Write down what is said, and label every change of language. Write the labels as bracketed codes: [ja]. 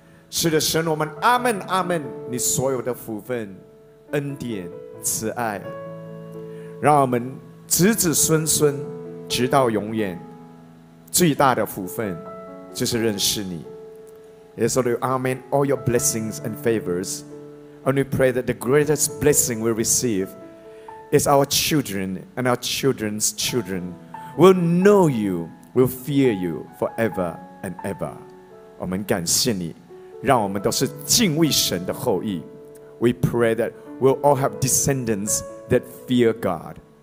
[zh] 是的，神，我们阿们阿们，你所有的福分、恩典、慈爱，让我们子子孙孙直到永远，最大的福分就是认识你。 [en] Yes, Lord, amen. All your blessings and favors. And we pray that the greatest blessing we receive is our children and our children's children will know you, will fear you forever and ever. [zh] 我们感谢你，让我们都是敬畏神的后裔。 [en] We pray that we'll all have descendants that fear God.